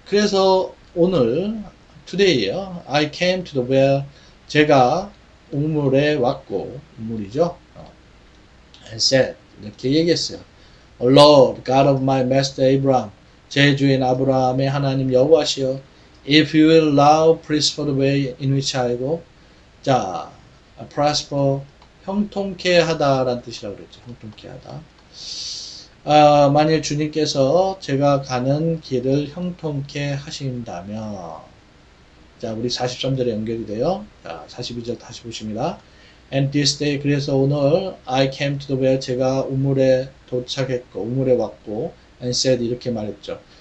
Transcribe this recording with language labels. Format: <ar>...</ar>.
<ko>그래서 오늘,</ko> <en>today요. I came to the well.</en> <ko>제가 우물에 왔고, 우물이죠.</ko> <en>And said.</en> <ko>이렇게 얘기했어요.</ko> <en>Lord, God of my master Abraham.</en> <ko>제 주인 아브라함의 하나님 여호와시여.</ko> <en>If you will now prosper the way in which I go.</en> <ko>자, prosper. 형통케 하다라는 뜻이라고 그랬죠. 형통케 하다. 만일 주님께서 제가 가는 길을 형통케 하신다면. 자, 우리 43절에 연결이 돼요. 자, 42절 다시 보십니다.</ko> <en>And this day,</en> <ko>그래서 오늘</ko> <en>I came to the well,</en> <ko>제가 우물에 도착했고, 우물에 왔고,</ko> <en>and said,</en> <ko>이렇게 말했죠.</ko>